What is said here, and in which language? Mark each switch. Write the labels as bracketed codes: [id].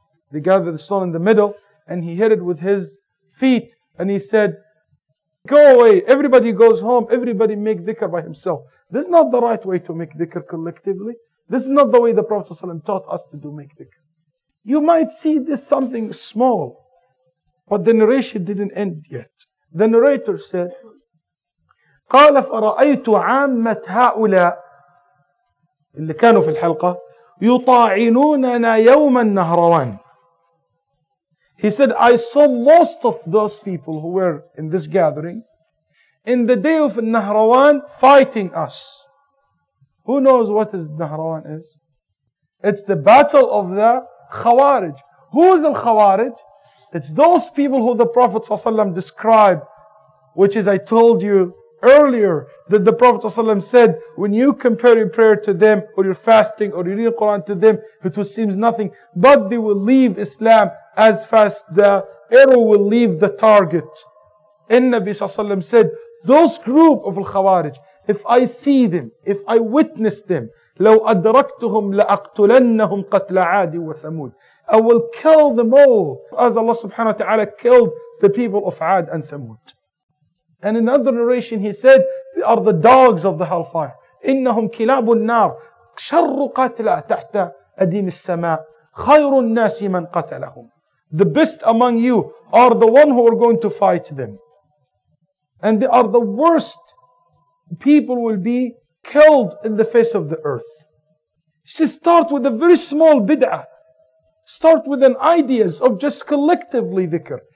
[en] They gathered the stone in the middle and he hit it with his feet and he said, go away, everybody goes home, everybody make dhikr by himself. This is not the right way to make dhikr collectively. This is not the way the Prophet ﷺ taught us to do make dhikr. You might see this something small, but the narration didn't end yet. The narrator said, [ar] قال فرأيت عامة هؤلاء اللي كانوا في الحلقة يطاعنوننا يوم النهروان. [en] He said, I saw most of those people who were in this gathering in the day of Nahrawan fighting us. Who knows what is Nahrawan is? It's the battle of the Khawarij. Who is the Khawarij? It's those people who the Prophet ﷺ described, which is I told you earlier that the Prophet ﷺ said, when you compare your prayer to them, or your fasting, or you read the Quran to them, it will seem nothing, but they will leave Islam as fast the arrow will leave the target. And Nabi ﷺ said, those group of al-Khawarij, if I see them, if I witness them, [ar] لو أدركتهم لأقتلنهم قتل عاد وثمود. [en] I will kill them all, as Allah subhanahu wa ta'ala killed the people of Ad and Thamud. And in another narration he said, they are the dogs of the hellfire. [ar] إنهم كلاب النار شر قتلى تحت أديم السماء خير الناس من قتلهم. [en] The best among you are the one who are going to fight them. And they are the worst people will be killed in the face of the earth. She start with a very small bid'ah. Start with an ideas of just collectively dhikr.